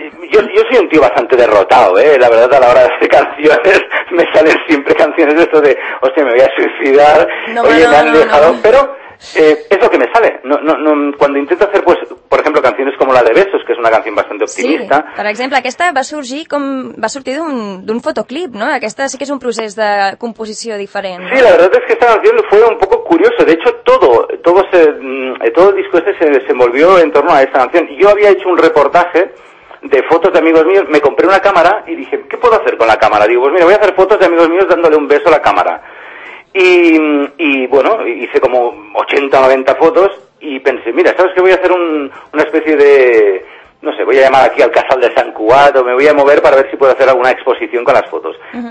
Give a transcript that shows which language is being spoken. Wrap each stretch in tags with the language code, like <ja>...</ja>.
<es>Yo soy un tío bastante derrotado, ¿eh? La verdad, a la hora de hacer canciones, me salen siempre canciones de esto de, hostia, me voy a suicidar, no, me han dejado. Pero es lo que me sale. Cuando intento hacer, pues, por ejemplo, canciones como la de Besos, que es una canción bastante optimista.</es> <ca>Sí, per exemple, aquesta va sortir com va sortir d'un fotoclip, ¿no? Aquesta sí que és un procés de composició diferent.</ca> <es>Sí, la verdad es que esta canción fue un poco curioso. De hecho, todo el disco este se desenvolvió en torno a esta canción. Yo había hecho un reportaje de fotos de amigos míos, me compré una cámara y dije, ¿qué puedo hacer con la cámara? Digo, pues mira, voy a hacer fotos de amigos míos dándole un beso a la cámara. Y bueno, hice como 80 o 90 fotos y pensé, mira, ¿sabes qué? Voy a hacer una especie de, no sé, voy a llamar aquí al Casal de San Cuat o me voy a mover para ver si puedo hacer alguna exposición con las fotos. Uh-huh.</es>